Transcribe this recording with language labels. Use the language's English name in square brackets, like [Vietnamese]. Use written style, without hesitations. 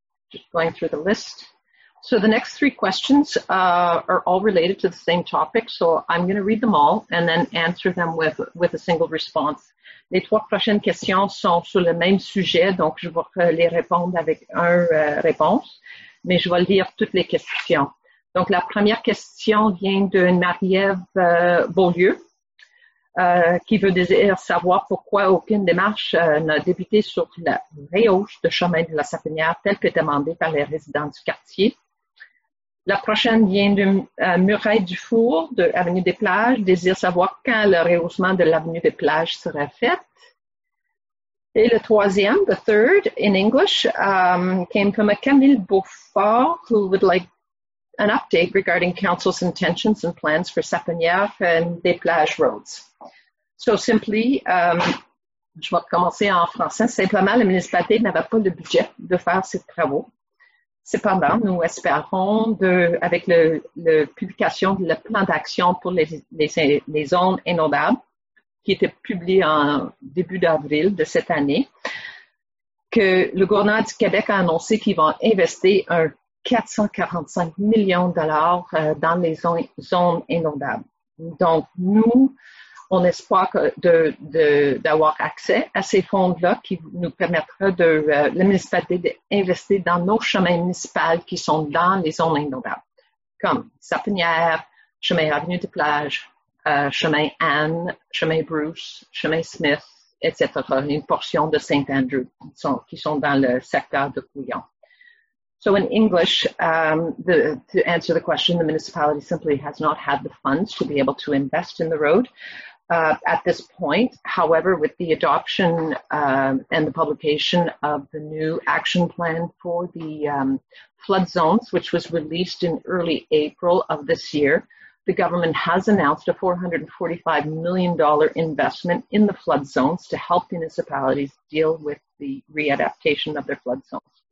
[English] Just going through the list. So the next three questions are all related to the same topic. So I'm going to read them all and then answer them with a single response. [French] Les trois prochaines questions sont sur le même sujet, donc je vais les répondre avec une réponse, mais je vais lire toutes les questions. Donc la première question vient de Marie-Ève Beaulieu, qui veut savoir pourquoi aucune démarche n'a débuté sur la réhausse de chemin de la Sapinière telle que demandée par les résidents du quartier. La prochaine vient de Mireille Dufour, de Avenue des Plages, désire savoir quand le rehaussement de l'Avenue des Plages sera fait. Et le troisième, [English] the third in English, came from a Camille Beaufort, who would like an update regarding council's intentions and plans for Sapinière and Des Plages roads. So simply, [French] je vais commencer en français. Simplement, la municipalité n'avait pas le budget de faire ces travaux. Cependant, nous espérons, avec la publication de le plan d'action pour les zones inondables, qui était publié en début d'avril de cette année, que le gouvernement du Québec a annoncé qu'ils vont investir un 445 millions de dollars dans les zones inondables. Donc, nous, on espère d'avoir accès à ces fonds-là qui nous permettra de la municipalité d'investir dans nos chemins municipaux qui sont dans les zones inondables, comme Sapinière, chemin Avenue des Plages, chemin Anne, chemin Bruce, chemin Smith, etc., une portion de Saint-Andrew qui sont dans le secteur de Couillon. [English] So in English, to answer the question, the municipality simply has not had the funds to be able to invest in the road at this point. However, with the adoption and the publication of the new action plan for the flood zones, which was released in early April of this year, the government has announced a $445 million investment in the flood zones to help municipalities deal with the readaptation of their flood zones.